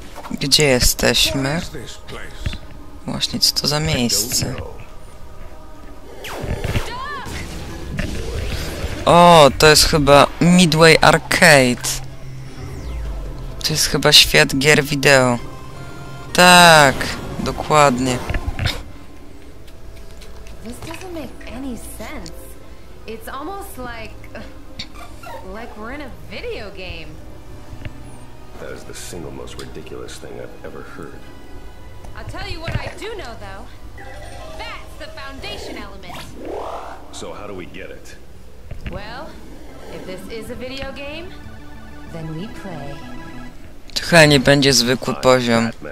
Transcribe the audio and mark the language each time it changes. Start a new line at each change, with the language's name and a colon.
Polish: Gdzie jesteśmy? Właśnie, co to za miejsce? O, to jest chyba Midway Arcade. To jest chyba świat gier wideo. Tak, dokładnie.
English: This doesn't make any sense. It's almost like we're in a video game. That is the single most ridiculous thing I've ever heard. I'll tell you what I do know though. That's the foundation element. So how do we get it? Well, if this is a video game, then we play.
Polish: Chyba nie będzie zwykły poziom.